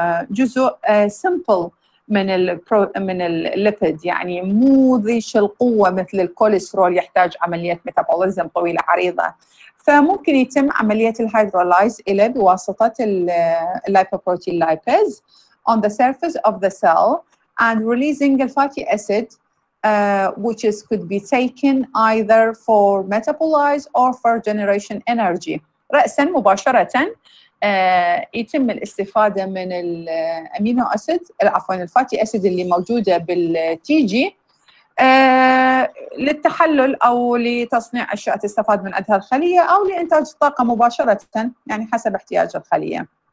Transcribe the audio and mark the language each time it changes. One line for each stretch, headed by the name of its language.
Arabic: جزء سمبل من الليبيد يعني مو ذيش القوه مثل الكوليسترول يحتاج عمليه ميتابوليزم طويله عريضه فممكن يتم عملية الهيدروليز إلى بواسطة الليبوبروتين لايباز
English: on the surface of the cell and releasing the fatty acid which is could be taken either for metabolize or for generation energy.
Arabic: رأسا مباشرة يتم الاستفادة من الأمينو أسيد عفوا الفاتي أسيد اللي موجودة بالتي جي للتحلل أو لتصنيع أشياء تستفاد من أدها الخلية أو لإنتاج الطاقة مباشرة يعني حسب احتياج الخلية.